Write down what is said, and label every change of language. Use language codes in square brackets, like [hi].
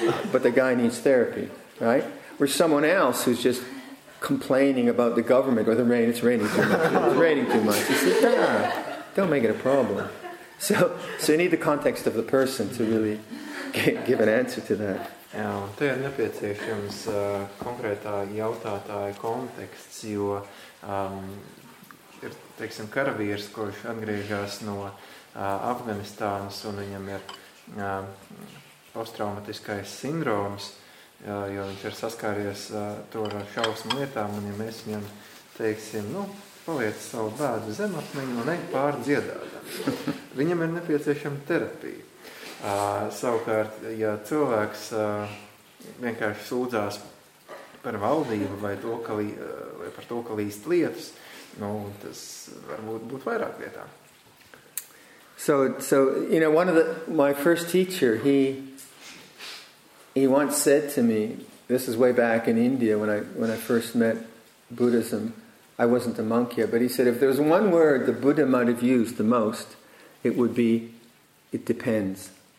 [en] But the guy needs therapy, right? Or someone else who's just complaining about the government or the rain, it's raining too much, it's raining too much. He says, don't make it a problem. So you need the context of the person to really give an answer to that. [lv] Jā, un te ir nepieciešams konkrētā jautātāja konteksts, jo ir, teiksim, karavīrs, kurš atgriežas no Afganistānas un viņam ir posttraumatiskais sindroms, jo viņš ir saskāries to ar šausmu lietām, un ja mēs viņam, teiksim, nu, paliec savu bēdu zemapmiņu un ej pārdziedādam. Viņam ir nepieciešama terapija. Savukārt, ja cilvēks vienkārši sūdzās par valdību vai, to, ka vai par to, ka līst lietas, nu, tas var būt vairāk vietā. [en] So, you know, one of the, my first teacher, he once said to me, this is way back in India when I first met Buddhism, I wasn't a monk yet, but he said, if there's one word the Buddha might have used the most, it would be, it depends.